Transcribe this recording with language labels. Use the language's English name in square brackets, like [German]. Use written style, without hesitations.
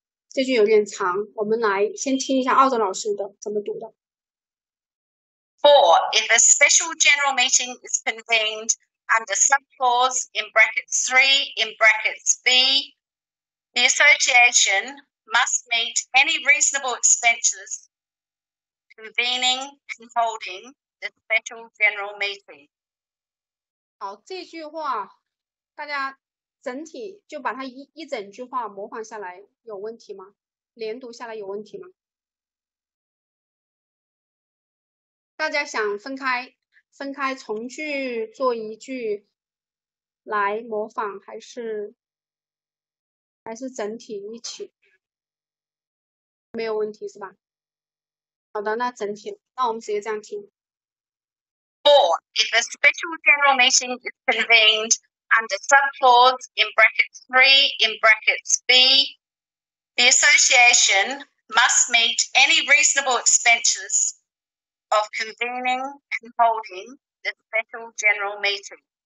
[Chinese] 这句有点长，我们来先听一下奥德老师的怎么读的。 [English] For if a special general meeting is convened under subclause in brackets 3 in brackets B, the association must meet any reasonable expenses convening and holding the special general meeting. [Chinese] 好，这句话大家整体就把它 一整句话模仿下来有问题吗？连读下来有问题吗？大家想分开从句做一句来模仿，还是整体一起？没有问题是吧？好的，那整体，那我们直接这样听。 [English] For if a special general meeting is convened under subclause in brackets 3 in brackets B, the association must meet any reasonable expenses of convening and holding the special general meeting.